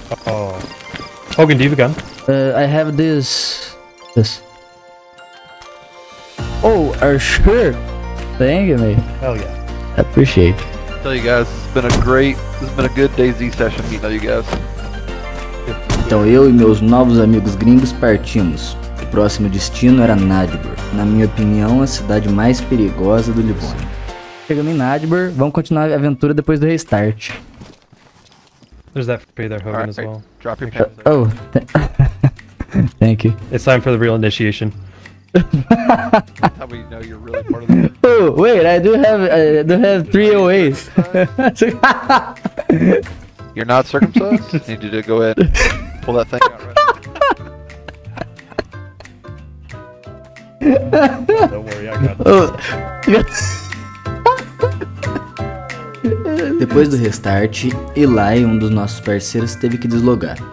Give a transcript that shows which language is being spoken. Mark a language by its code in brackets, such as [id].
[en] Oh. Hogan, do you have a gun? I have this. Oh, are you sure? Thank you, mate. Hell yeah. I appreciate it. Tell you guys, this has been a good DayZ session meeting you guys. [pt] Então eu e meus novos amigos gringos partimos. O próximo destino era Nadbur, na minha opinião, a cidade mais perigosa do Livonia. Chegando em Nadbur, vamos continuar a aventura depois do restart. [en] There's that for Peter Hogan as well. Drop your pants. Thank you. It's time for the real initiation. How we know you're really part of the... Oh, wait, I do have 308s. You're not circumcised? You need to go ahead and pull that thing out right now. Don't worry, I got this. [pt] Depois do restart, Eli, um dos nossos parceiros, teve que deslogar.